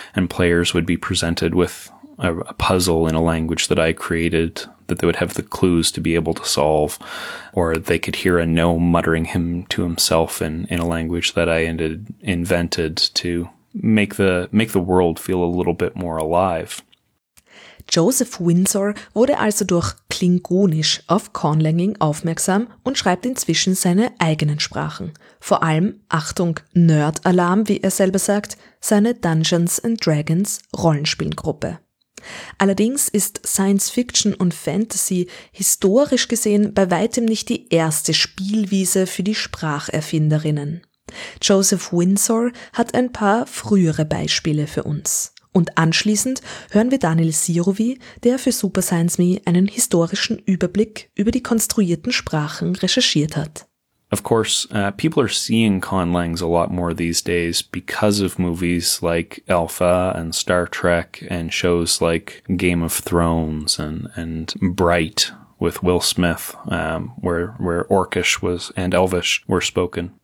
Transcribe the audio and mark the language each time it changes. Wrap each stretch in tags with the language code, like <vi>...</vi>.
<en>players would be presented with a puzzle in a language that I created that they would have the clues to be able to solve, or they could hear a gnome muttering him to himself in a language that I ended invented to make the world feel a little bit more alive.</en> <de>Joseph Windsor wurde also durch Klingonisch auf Conlanging aufmerksam und schreibt inzwischen seine eigenen Sprachen. Vor allem, Achtung, Nerd-Alarm, wie er selber sagt, seine Dungeons & Dragons Rollenspielgruppe. Allerdings ist Science Fiction und Fantasy historisch gesehen bei weitem nicht die erste Spielwiese für die Spracherfinderinnen. Joseph Windsor hat ein paar frühere Beispiele für uns. Und anschließend hören wir Daniel Sirovi, der für Super Science Me einen historischen Überblick über die konstruierten Sprachen recherchiert hat.</de> <en>Of course, people are seeing conlangs a lot more these days because of movies like Alpha and Star Trek and shows like Game of Thrones and Bright with Will Smith, where Orcish was and Elvish were spoken.</en>